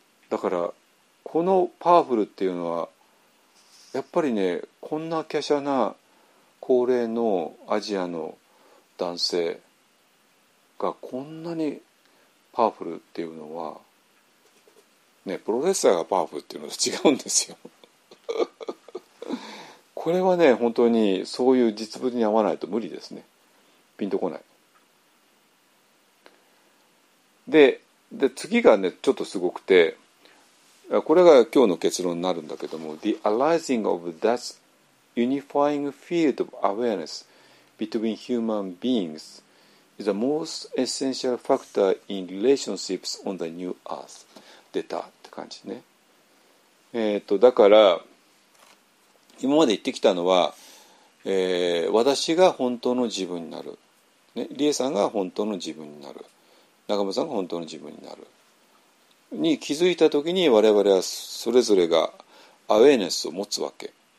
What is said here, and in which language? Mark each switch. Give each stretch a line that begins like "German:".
Japanese: だから、このパワフルっていうのはやっぱりね、こんな華奢な高齢のアジアの男性がこんなにパワフルっていうのはね、プロレッサーがパワフルっていうのと違うんですよこれはね、本当にそういう実物に合わないと無理ですね、ピンとこない。で次がね、ちょっとすごくて、これが今日の結論になるんだけども、
English: The arising of that unifying field of awareness between human beings is the most essential factor in relationships on the new earth.
Japanese: 出たって感じね。だから、今まで言ってきたのは、私が本当の自分になる。ね、リエさんが本当の自分になる。中村さんが本当の自分になる。に気づいたときに我々はそれぞれがアウェーネスを持つわけ。